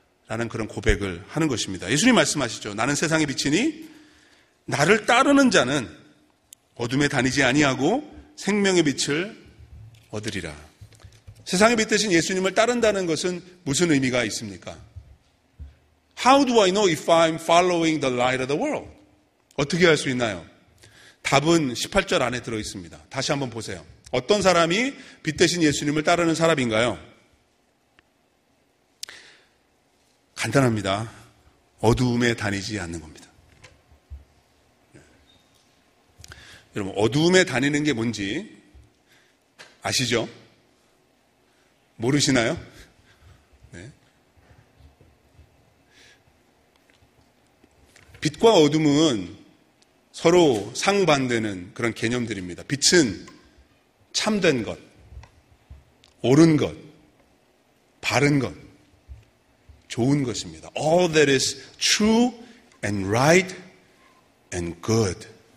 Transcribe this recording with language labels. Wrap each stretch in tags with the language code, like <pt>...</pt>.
<ko>라는 그런 고백을 하는 것입니다. 예수님 말씀하시죠. 나는 세상의 빛이니 나를 따르는 자는 어둠에 다니지 아니하고 생명의 빛을 얻으리라. 세상의 빛 대신 예수님을 따른다는 것은 무슨 의미가 있습니까?</ko> <en>How do I know if I'm following the light of the world?</en> <ko>어떻게 알 수 있나요? 답은 18절 안에 들어 있습니다. 다시 한번 보세요. 어떤 사람이 빛 대신 예수님을 따르는 사람인가요? 간단합니다. 어두움에 다니지 않는 겁니다. 여러분, 어두움에 다니는 게 뭔지 아시죠? 모르시나요? 네. 빛과 어둠은 서로 상반되는 그런 개념들입니다. 빛은 참된 것, 옳은 것, 바른 것, 좋은 것입니다.</ko> <en>All that is true and right and good.</en>